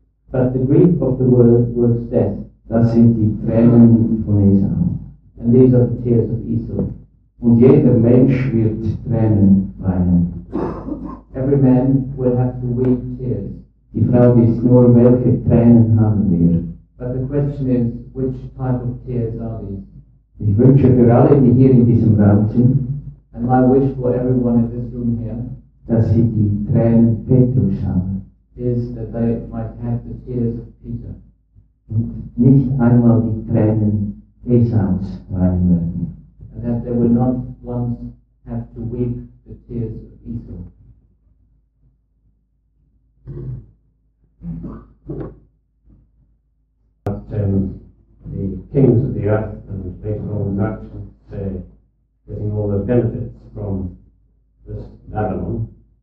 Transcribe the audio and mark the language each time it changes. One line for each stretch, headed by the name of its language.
English: But the grief of the world works death.
German: Das sind die Tränen von Esau.
English: And these are the tears of Esau.
German: Und jeder Mensch wird Tränen weinen.
English: Every man will have to weep tears.
German: Die Frage ist nur, welche Tränen haben wir?
English: But the question is, which type of tears are these?
German: Ich wünsche für alle, die hier in diesem Raum sind,
English: and my wish for everyone in this room here,
German: dass sie die Tränen Petrus haben,
English: is that they might have the tears of Peter,
German: und nicht einmal die Tränen Esaus weinen werden,
English: and that they will not once have to weep the tears of Esau. The kings of the earth and later on the merchants getting all the benefits from this Babylon.